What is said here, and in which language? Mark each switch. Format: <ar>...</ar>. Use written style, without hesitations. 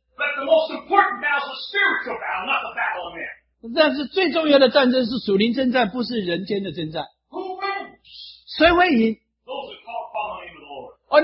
<en>But the most important battle is a spiritual battle, not the battle of man.</en> <zh>但是最重要的战争是属灵征战，不是人间的征战。</zh> <en>Who wins?</en> <zh>谁会赢？</zh> <en>Those who call upon the name of the Lord.</en>